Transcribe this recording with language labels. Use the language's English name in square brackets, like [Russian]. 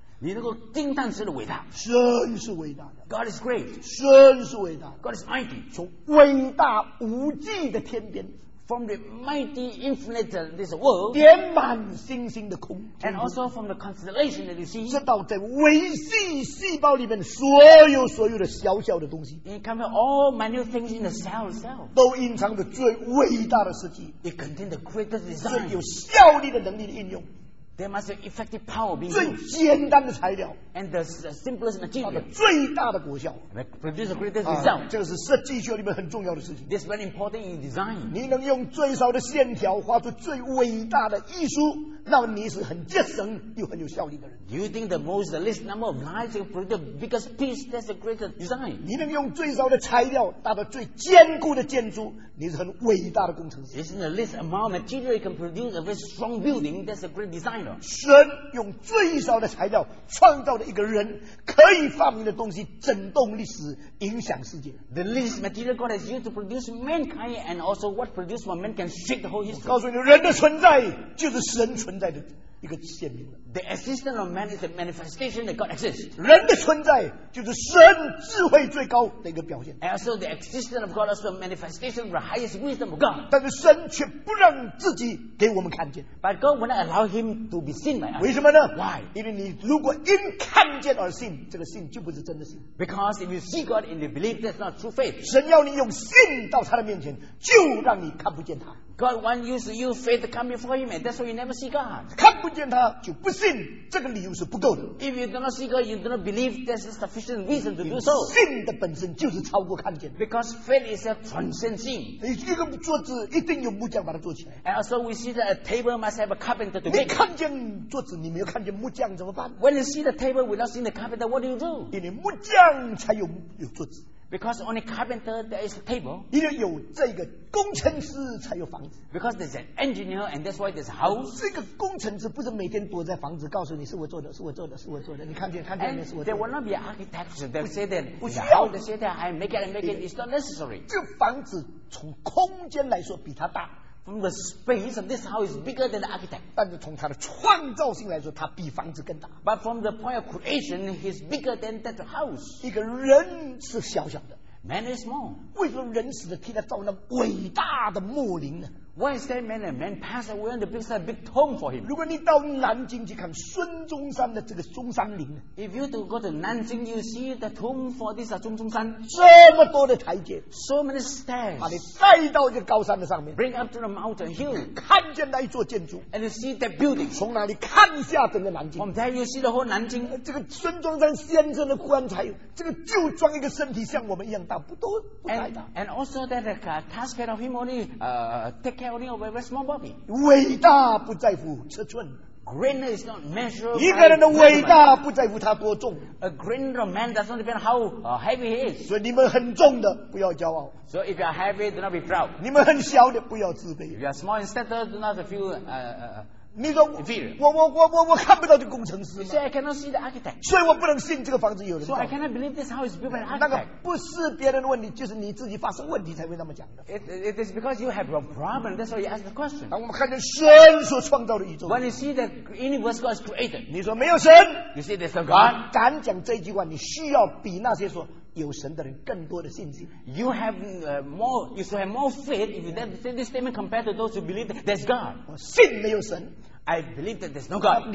[Chinese] 你能够惊叹神的伟大，神是伟大的。 [English] God is great, [Chinese] 神是伟大。 [English] God is mighty, [Chinese] 从伟大无际的天边。 [English] From the mighty infinite this world, [Chinese] 点满星星的空间。 [English] And also from the constellation that you see, [Chinese] 直到在微细细胞里面所有所有的小小的东西。 [English] It contains all minute things in the cell itself. [Chinese] 都隐藏着最伟大的设计。 [English] It contains the greatest design. [Chinese] 最有效力的能力的应用。 [English] There must be effective power being [Chinese] used. 最简单的材料。 [English] And the simplest material. [Chinese] 它的最大的果效。 [English] Produce the greatest result. [Chinese] 这是设计学里面很重要的事情。 [English] This is very important in design. [Chinese] 你能用最少的线条画出最伟大的艺术，那么你是很节省又很有效率的人。 [English] You think the most, the least number of lines you produce the biggest piece, that's the greatest design. [Chinese] 你能用最少的材料达到最坚固的建筑，你是很伟大的工程师。 [English] Isn't the least amount of material you can produce a very strong building, that's a great design. [Chinese] 神用最少的材料创造了一个人可以发明的东西，震动历史，影响世界。 [English] The least material God has used to produce mankind, and also what produced by man can shake the whole history. [Chinese] 告诉你，人的存在就是神存在的一个显明。 [English] The existence of man is a manifestation that God exists. [Chinese] 人的存在就是神智慧最高的一个表现。 [English] And also the existence of God is a manifestation of the highest wisdom of God. [Chinese] 但是神却不让自己给我们看见。 [English] But God will not allow him to be seen by us. [Chinese] 为什么呢？ [English] Why? [Chinese] 因为你如果因看见而信，这个信就不是真的信。 [English] Because if you see God and you believe, that's not true faith. [Chinese] 神要你用信到他的面前，就让你看不见他。 [English] God wants you to use faith to come before him, and that's why you never see God. [Chinese] 看不见他就不信，这个理由是不够的。 [English] If you do not see God, you do not believe there's a sufficient reason to do so. [Chinese] 信的本身就是超过看见。 [English] Because faith is a transcendent thing. [Chinese] 一个桌子一定有木匠把它做起来。 [English] And also we see that a table must have a carpenter to make. [Chinese] 你看见桌子，你没有看见木匠怎么办？ [English] When you see the table without seeing the carpenter, what do you do? [Chinese] 因为木匠才有桌子。 [English] Because only carpenter there is a table. [Chinese] 因为有这个工程师才有房子。 [English] Because there's an engineer and that's why there's a house. [Chinese] 这个工程师不是每天躲在房子告诉你是我做的，是我做的，是我做的。你看见，看见，是我做的。 [English] There will not be architects that say that. [Chinese] 不需要。 [English] They say that I make it and make it. It's not necessary. [Chinese] 这房子从空间来说比它大。 [English] From the space of this house is bigger than the architect. [Chinese] 但是从他的创造性来说，他比房子更大。 [English] But from the point of creation, he's bigger than that house. [Chinese] 一个人是小小的。 [English] Man is small. [Chinese] 为什么人死了替他造那伟大的木林呢？ [English] Why is that man? A man passed away and built a big tomb for him. [Chinese] 如果你到南京去看孙中山的这个中山陵呢？ [English] If you do go to Nanjing, you see the tomb for this 中中山。 [Chinese] 这么多的台阶。 [English] So many stairs. [Chinese] 把你带到一个高山的上面。 [English] Bring up to the mountain hill. [Chinese] 看见那一座建筑。 [English] And you see that building. [Chinese] 从哪里看下整个南京。 [English] From there you see the whole 南京。 [Chinese] 这个孙中山先生的棺材，这个就装一个身体像我们一样大。 [English] And also that the casket of him only take care of him of a very small body. [Chinese] 伟大不在乎尺寸。 [English] Greatness is not measured. [Chinese] 一个人的伟大不在乎他多重。 [English] A great man does not depend how heavy he is. [Chinese] 所以你们很重的不要骄傲。 [English] So if you are heavy, do not be proud. [Chinese] 你们很小的不要自卑。 [English] If you are small and stutter, do not feel [Chinese] 你说 我看不到这工程师吗？ [English] You say, I cannot see the architect. [Chinese] 所以我不能信这个房子有人 [English] 造。So I cannot believe this house is built by an architect. [Chinese] 那个不是别人的问题，就是你自己发生问题才会那么讲的。 [English] It is because you have a problem, that's why you ask the question. [Chinese] 当我们看见神所创造的宇宙。 [English] When you see the universe God has created. [Chinese] 你说没有神。 [English] You say there's no God. [Chinese] 敢讲这句话，你需要比那些说有神的人更多的信心。 [English] You have more, you should have more faith if you say this statement compared to those who believe there's God. [Chinese] 我信没有神。 [English] I believe that there's no God.